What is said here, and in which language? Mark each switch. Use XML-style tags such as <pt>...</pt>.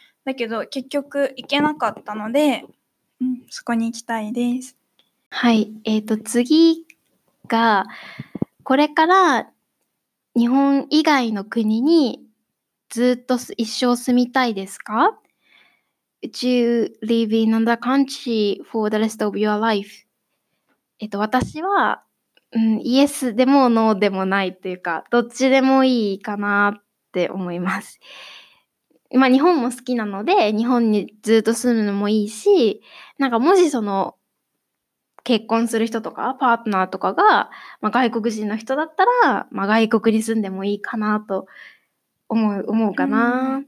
<ja>だけど、結局行けなかったので、そこに行きたいです。はい。次が、これから日本以外の国にずっと一生住みたいですか？</ja> <en>Would you live in another country for the rest of your life?</en> <ja>私は、イエスでもノーでもないというか、どっちでもいいかなって思います。まあ日本も好きなので、日本にずっと住むのもいいし、なんかもしその、結婚する人とかパートナーとかが、まあ、外国人の人だったら、まあ外国に住んでもいいかなと思うかな。</ja>